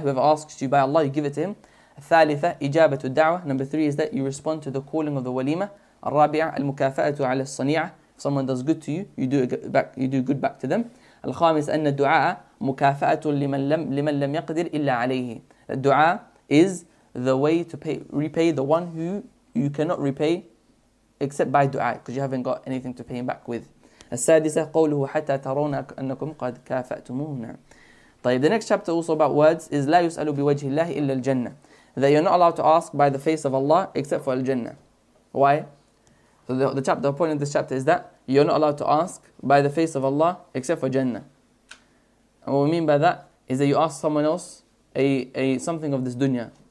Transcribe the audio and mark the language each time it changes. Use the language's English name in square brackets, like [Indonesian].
[English] Whoever asks you by Allah, you give it to him. [Arabic] ثالثة إجابة الدعوة. [English] Number three is that you respond to the calling of the وليمة. [Arabic] الرابعة المكافأة على الصنيعة. [English] If someone does good to you, you do good back to them. [Arabic] الخامس أن الدعاء مكافأة لمن لم يقدر إلا عليه. [English] The dua is the way to repay the one who you cannot repay except by dua, because you haven't got anything to pay him back with. [Arabic] السادسة قوله حتى ترون أنكم قد كافأتموه. [English] طيب, the next chapter also about words is [Arabic] لا يسأل بوجه الله إلا الجنة. [English] That you're not allowed to ask by the face of Allah except for Al-Jannah. Why? So the point of this chapter is that you're not allowed to ask by the face of Allah except for Jannah. And what we mean by that is that you ask someone else something of this dunya.